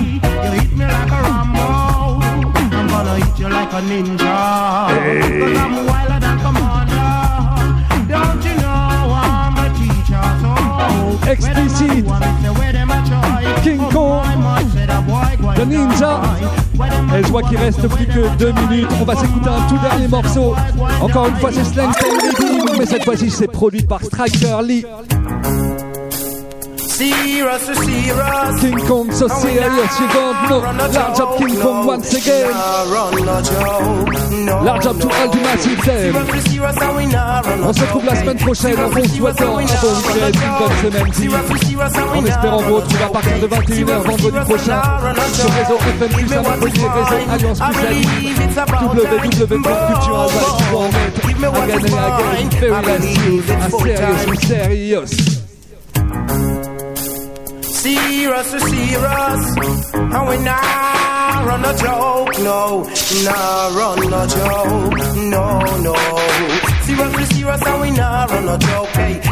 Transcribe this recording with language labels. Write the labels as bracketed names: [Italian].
[English] You hit me like a Rambo, I'm gonna hit you like a ninja, hey. Cause I'm wilder than commander. Don't you know I'm a teacher, so XTC. Where them a do, I miss the way them a try. King Kong, oh my, said a boy, the ninja. [French] Et je vois qu'il reste plus que 2 minutes. On va s'écouter un tout dernier morceau. Encore une fois, c'est Slang Tang with Him. Mais cette fois-ci, c'est produit par Striker Lee. [English] Serious, serious. King Kong, so serious. You don't know. Large up King Kong once again. Large up to all the massive team. [French] On se retrouve la semaine prochaine. Un bon souhaitant, un bon week-end, une bonne semaine. En espérant vous retrouver à partir de 21h vendredi prochain sur réseau FM Plus à Montpellier, réseau Alliance Plus à Lille, www.culturalvibes.net. [English] Again and again, very last year. Un serious, un serious. Serious, serious, and we not run a joke, no, not run a joke, no, no. Serious, serious, and we not run a joke, hey.